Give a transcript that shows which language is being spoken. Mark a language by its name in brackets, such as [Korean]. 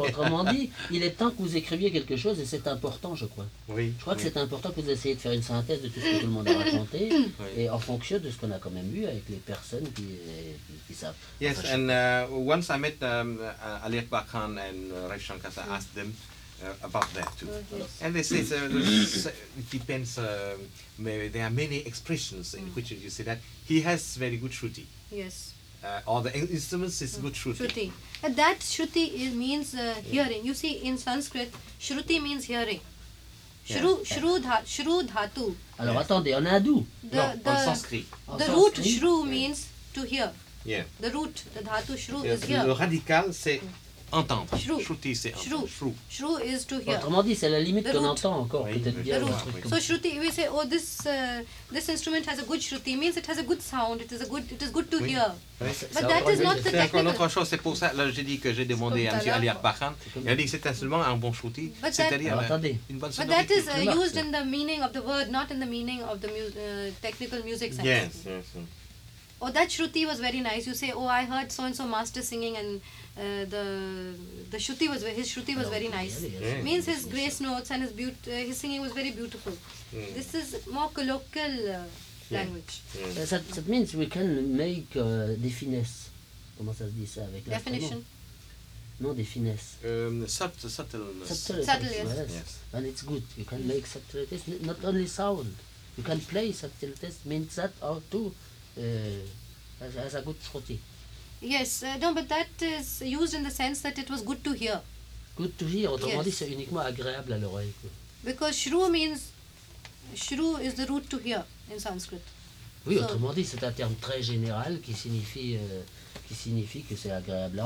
[French] Autrement dit, il est temps que vous écriviez quelque chose et c'est important, je crois. Oui. Je crois que c'est important que vous essayiez de faire une synthèse de tout ce que tout le monde a raconté et en fonction de ce qu'on a quand même vu avec les personnes qui savent. [English] Yes, and once I met Alec Bakhan and Rav Shankar, I asked them about that too. And they say it depends. Maybe there are many expressions in which you say that he has very good shruti. Yes. Or the instruments is good shruti. Shruti. That shruti is means hearing. You see, in Sanskrit, shruti means hearing. Shru dhatu. [French] Alors attendez, on a d'où? En Sanskrit. [English] The root shru means to hear. Yeah. The root, the dhatu shru is hear. [French] Le radical, c'est entendre. Shruti, c'est entendre. [English] Shru is to hear. [French] Autrement dit, c'est la limite qu'on entend encore. [English] So shruti, we say, oh, this instrument has a good shruti. Means it has a good sound. It is good to hear. [French] C'est encore autre chose, c'est pour ça là, j'ai dit que j'ai demandé à M. Ali Akbarhan, il a dit que c'est seulement un bon shruti, c'est-à-dire une bonne sonorité. [English] But that is used in the meaning of the word, not in the meaning of the technical music sense. Yes. Oh, that shruti was very nice. You say, oh, I heard so-and-so master singing and the shruti was his shruti was very nice. Yeah. Means his grace notes and his singing was very beautiful. Yeah. This is more colloquial. Language. Yeah. That means we can make [French] des finesses. Comment ça se dit ça avec la définition? Non, des finesses. [English] Subtleness. And it's good. You can make subtleties, not only sound. You can play subtleties, means that or two has a good shruti. Yes, but that is used in the sense that it was good to hear. Good to hear, [French] autrement dit, c'est uniquement agréable à l'oreille. [English] Because shru means. Shru is the root to hear in Sanskrit. [French] Oui, autrement dit, c'est un terme très général qui signifie que c'est agréable.